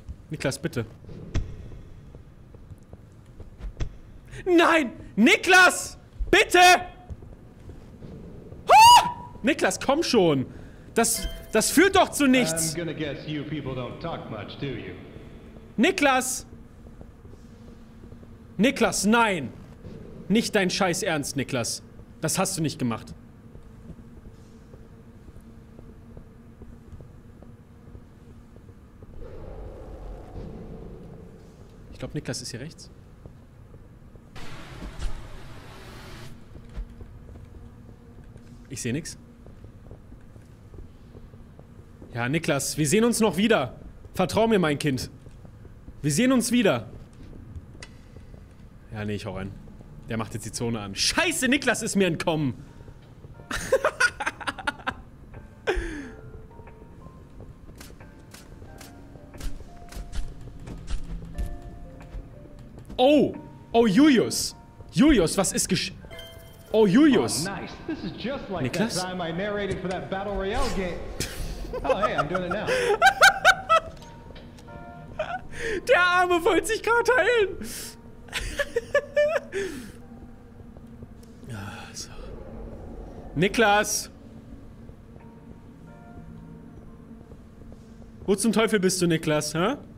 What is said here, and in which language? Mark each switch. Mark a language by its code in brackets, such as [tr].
[de] Niklas, bitte! Nein! Niklas! Bitte! Niklas, komm schon! Das führt doch zu nichts! [en] I'm gonna guess you people don't talk much, do you? [de] Niklas! Niklas, nein! Nicht dein Scheiß ernst, Niklas. Das hast du nicht gemacht. Ich glaube, Niklas ist hier rechts. Ich sehe nichts. Ja, Niklas, wir sehen uns noch wieder. Vertrau mir, mein Kind. Wir sehen uns wieder. Ja, nee, ich hau rein. Der macht jetzt die Zone an. Scheiße, Niklas ist mir entkommen! Oh! Oh, Julius! Julius, was ist gesch... Oh, Julius! [en] Oh, nice. This is just like Niklas? That time I narrated for that Battle Royale game. Oh, hey, I'm doing it now. [de] Der Arme wollte sich gerade heilen! Niklas! Wo zum Teufel bist du, Niklas, hä?